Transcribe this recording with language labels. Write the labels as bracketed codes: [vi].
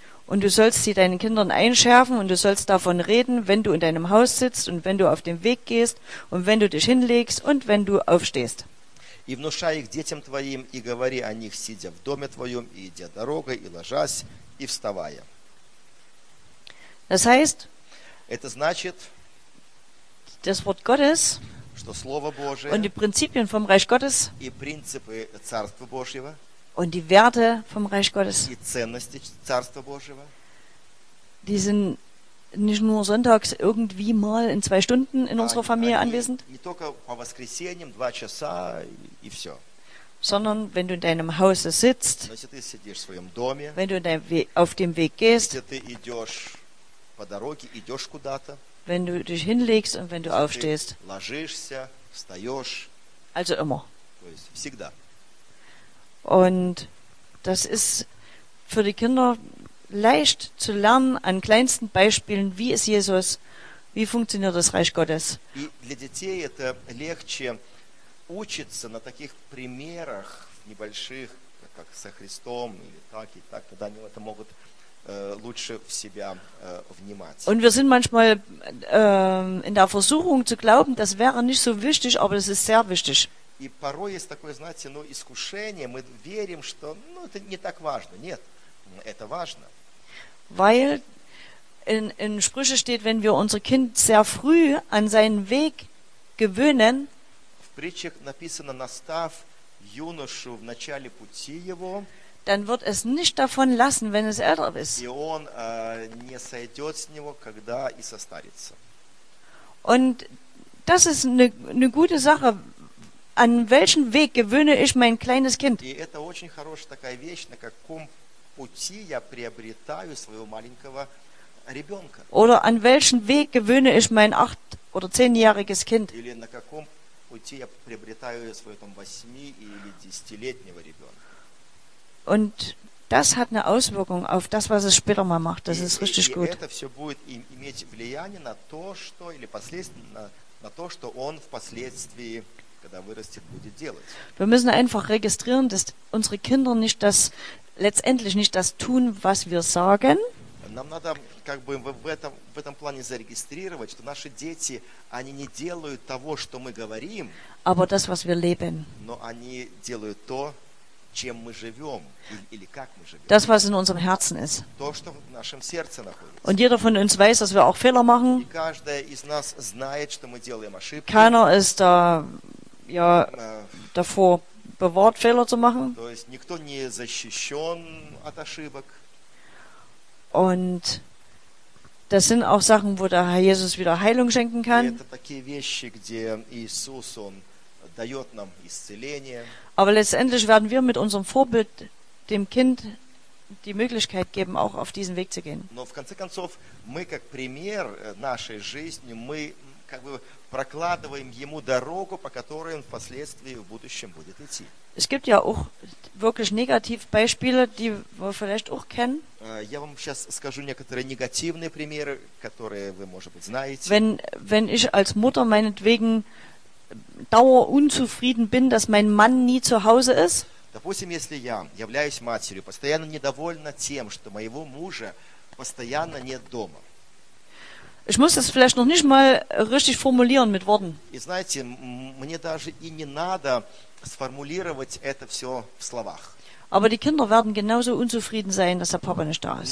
[de] Und du sollst sie deinen Kindern einschärfen und du sollst davon reden, wenn du in deinem Haus sitzt und wenn du auf dem Weg gehst und wenn du dich hinlegst und wenn du aufstehst. [ru] И внушай их детям твоим и говори о них, сидя в доме твоем, и идя дорогой, и ложась, и вставая. [de] Das heißt, [ru] это значит, [de] das Wort Gottes, [ru] что Слово Божие, [de] und die Prinzipien vom Reich Gottes, [ru] и принципы Царства Божьего, [de] und die Werte vom Reich Gottes, [ru] и ценности Царства Божьего, [de] die sind nicht nur sonntags irgendwie mal in zwei Stunden in unserer Familie anwesend, [ru] не только по воскресеньям, два часа, и все. [de] Sondern wenn du in deinem Hause sitzt, [ru] но если ты сидишь в своем доме, [de] wenn du auf dem Weg gehst, [ru] если ты идешь по дороге, идешь куда-то, [de] wenn du dich hinlegst und wenn du aufstehst, [ru] ложишься, встаешь, [de] also immer. [ru] То есть всегда. [de] Und das ist für die Kinder leicht zu lernen an kleinsten Beispielen, wie ist Jesus, wie funktioniert das Reich Gottes. [ru] И для детей это легче учиться на таких примерах небольших, как со Христом или так и так, когда они это могут лучше в себя внимать. [de] Und wir sind manchmal in der Versuchung zu glauben, das wäre nicht so wichtig, aber das ist sehr wichtig. [ru] И порой есть такое, знаете, ну, искушение, мы верим, что, ну, это не так важно. Нет, это важно. [de] Weil in Sprüche steht, wenn wir unser Kind sehr früh an seinen Weg gewöhnen, [ru] в притчах написано: «Настав юношу в начале пути его», [de] dann wird es nicht davon lassen, wenn es älter ist. [ru] И он не сойдет с него, когда и состарится. [de] Und das ist eine gute Sache. An welchen Weg gewöhne ich mein kleines Kind? [ru] И это очень хорошая такая вещь, на каком пути я приобретаю своего маленького ребенка. [de] Oder an welchen Weg gewöhne ich mein 8- oder 10-jähriges Kind? [ru] Или на каком пути я приобретаю своего там 8- или 10-летнего ребенка? [de] Und das hat eine Auswirkung auf das, was es später mal macht. Das ist richtig gut. [ru] Это все будет иметь влияние на то, что или последствия на то, что он впоследствии, когда вырастет, будет делать. [de] Wir müssen einfach registrieren, dass unsere Kinder nicht das letztendlich nicht das tun, was wir sagen. [ru] Нам надо как бы в этом плане зарегистрировать, что наши дети, они не делают того, что мы говорим. [de] Aber das, was wir leben. [ru] Но они делают то, чем мы живем или как мы живем. [de] Das, was in unserem Herzen ist. [ru] То, что в нашем сердце находится. [de] Und jeder von uns weiß, dass wir auch Fehler machen. [ru] И каждая из нас знает, что мы делаем ошибки. [de] Keiner ist da, ja, davor bewahrt, Fehler zu machen. [ru] То есть никто не защищен от ошибок. [de] Und das sind auch Sachen, wo der Herr Jesus wieder Heilung schenken kann. [ru] И это такие вещи, где Иисус, он дает нам исцеление. [de] Aber letztendlich werden wir mit unserem Vorbild dem Kind die Möglichkeit geben, auch auf diesen Weg zu gehen. [ru] Но в конце концов, мы как пример нашей жизни, мы как бы прокладываем ему дорогу, по которой он впоследствии в будущем будет идти. [de] Es gibt ja auch wirklich Negativbeispiele, die wir vielleicht auch kennen. [ru] Я вам сейчас скажу некоторые негативные примеры, которые вы, может быть, знаете. [de] Wenn ich als Mutter meinetwegen dauer unzufrieden bin, dass mein Mann nie zu Hause ist. [ru] Допустим, если я являюсь матерью, постоянно недовольна тем, что моего мужа постоянно нет дома. [de] Ich muss das vielleicht noch nicht mal richtig formulieren mit Worten. [ru] И знаете, мне даже и не надо сформулировать это все в словах. [de] Aber die Kinder werden genauso unzufrieden sein, dass der Papa nicht da ist.